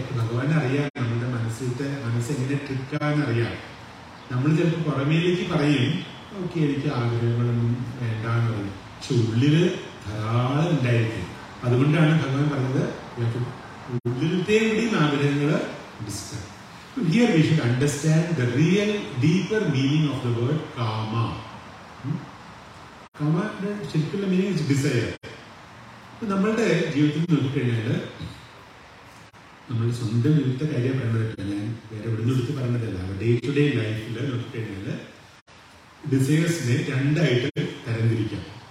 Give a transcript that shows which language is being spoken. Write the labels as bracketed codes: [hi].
[ml] ഭഗവാനെ അറിയാം, നമ്മുടെ മനസ്സിലത്തെ മനസ്സ് എങ്ങനെ ട്രിക്കാന്ന് അറിയാം. നമ്മൾ ചിലപ്പോൾ പുറമേലേക്ക് പറയും, ഓക്കെ എനിക്ക് ആഗ്രഹങ്ങളൊന്നും വേണ്ടാന്ന് പറയും, പക്ഷെ ഉള്ളില് ധാരാളം ഉണ്ടായിരിക്കും. അതുകൊണ്ടാണ് ഭഗവാൻ പറഞ്ഞത്, ഉള്ളിലത്തെ കൂടിയും ആഗ്രഹങ്ങള് discuss. [en] Here we should understand the real deeper meaning of the word kama. Kama simply means desire. [ml] നമ്മളുടെ ജീവിതത്തിൽ നോക്കിക്കഴിഞ്ഞാല് നമ്മൾ സ്വന്തം വിവിധ കാര്യം പറയുന്നതല്ല, ഞാൻ വേറെ എവിടെ നിന്ന് എടുത്ത് പറയുന്നതല്ല, ഡേ ടു ഡേ ലൈഫിൽ നോക്കിക്കഴിഞ്ഞാല് ഡിസയേഴ്സിനെ രണ്ടായിട്ട് തരംതിരിക്കാം.